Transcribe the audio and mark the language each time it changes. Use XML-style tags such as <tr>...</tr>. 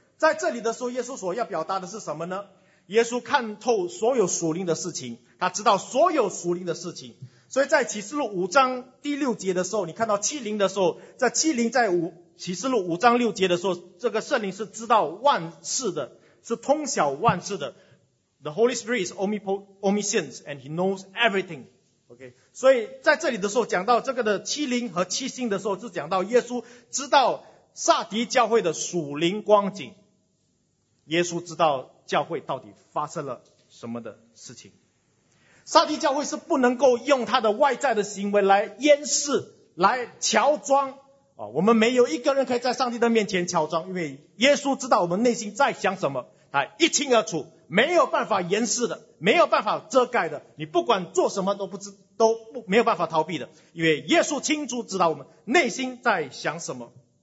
<zh>在这里的时候，耶稣所要表达的是什么呢？耶稣看透所有属灵的事情，他知道所有属灵的事情。所以在启示录五章第六节的时候，你看到七灵的时候，在七灵在五启示录五章六节的时候，这个圣灵是知道万事的，是通晓万事的。</zh> <en>The Holy Spirit is omniscient and he knows everything.</en> <zh>OK， 所以在这里的时候讲到这个的七灵和七星的时候，是讲到耶稣知道撒迪教会的属灵光景，耶稣知道教会到底发生了什么的事情。撒迪教会是不能够用他的外在的行为来掩饰，来乔装，我们没有一个人可以在上帝的面前乔装，因为耶稣知道我们内心在想什么，他一清二楚，没有办法掩饰的，没有办法遮盖的，你不管做什么都没有办法逃避的，因为耶稣清楚知道我们内心在想什么。</zh>